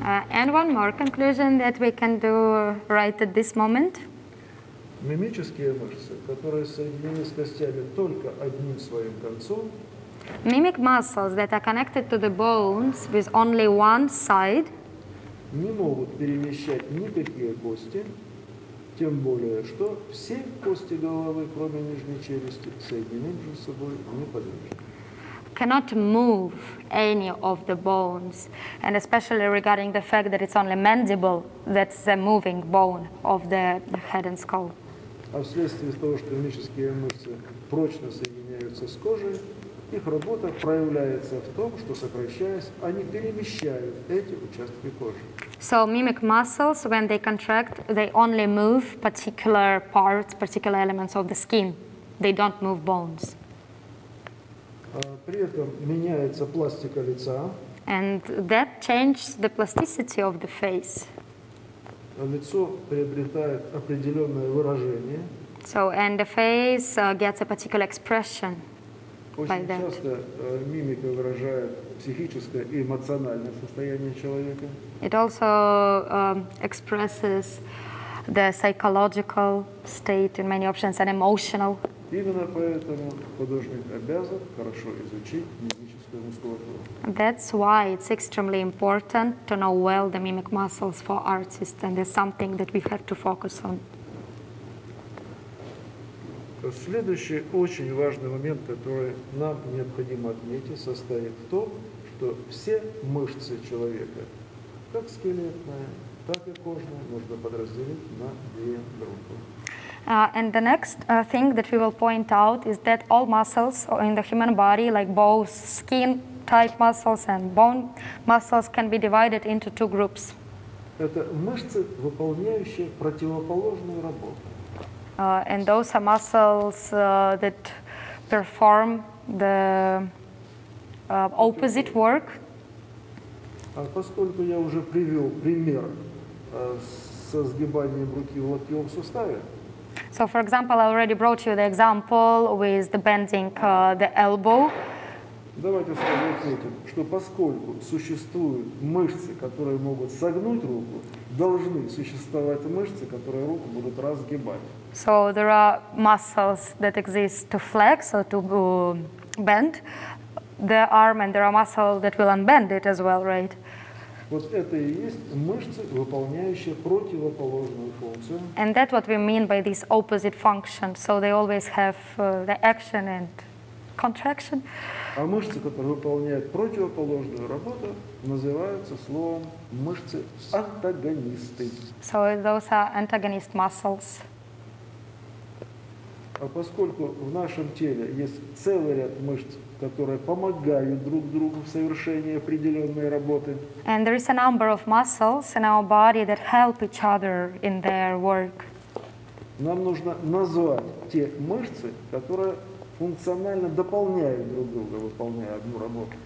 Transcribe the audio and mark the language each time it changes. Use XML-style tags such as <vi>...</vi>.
<en>And one more conclusion that we can do right at this moment.</en> <ru>Мимические мышцы, которые соединены с костями только одним своим концом.</ru> <en>Mimic muscles that are connected to the bones with only one side.</en> <ru>Не могут перемещать никакие кости, тем более что все кости головы, кроме нижней челюсти, соединены между собой неподвижно.</ru> <en>Cannot move any of the bones, and especially regarding the fact that it's only mandible that's the moving bone of the head and skull.</en> <ru>А вследствие того, что мимические мышцы прочно соединяются с кожей, их работа проявляется в том, что сокращаясь, они перемещают эти участки кожи.</ru> <en>So mimic muscles, when they contract, they only move particular parts, particular elements of the skin. They don't move bones.</en> <ru>При этом меняется пластика лица.</ru> <en>And that changes the plasticity of the face.</en> <ru>Лицо приобретает определенное выражение.</ru> <en>So, and the face gets a particular expression by that.</en> <ru>Очень часто мимика выражает психическое и эмоциональное состояние человека.</ru> <en>It also expresses the psychological state in many options and emotional.</en> <ru>Именно поэтому художник обязан хорошо изучить мимическую мускулатуру.</ru> <en>That's why it's extremely important to know well the mimic muscles for artists, and it's something that we have to focus on.</en> <ru>Следующий очень важный момент, который нам необходимо отметить, состоит в том, что все мышцы человека, как скелетная, так и кожная, можно подразделить на две группы.</ru> <en>And the next thing that we will point out is that all muscles in the human body, like both skin type muscles and bone muscles, can be divided into two groups.</en> <ru>Это мышцы, выполняющие противоположную работу.</ru> <en>And those are muscles that perform the opposite work.</en> <ru>Поскольку я уже привел пример со сгибанием руки в локтевом суставе.</ru> <en>So, for example, I already brought you the example with the bending the elbow.</en> <ru>Давайте сразу отметим, что поскольку существуют мышцы, которые могут согнуть руку, должны существовать мышцы, которые руку будут разгибать.</ru> <en>So there are muscles that exist to flex or to bend the arm, and there are muscles that will unbend it as well, right?</en> <ru>Вот это и есть мышцы, выполняющие противоположную функцию.</ru> <en>And that's what we mean by these opposite functions. So they always have the action and contraction.</en> <ru>А мышцы, которые выполняют противоположную работу, называются словом мышцы-антагонисты.</ru> <en>So those are antagonist muscles.</en> <ru>А поскольку в нашем теле есть целый ряд мышц, которые помогают друг другу в совершении определенной работы.</ru> <en>And there is a number of muscles in our body that help each other in their work.</en> <ru>Нам нужно назвать те мышцы, которые функционально дополняют друг друга, выполняя одну работу.</ru>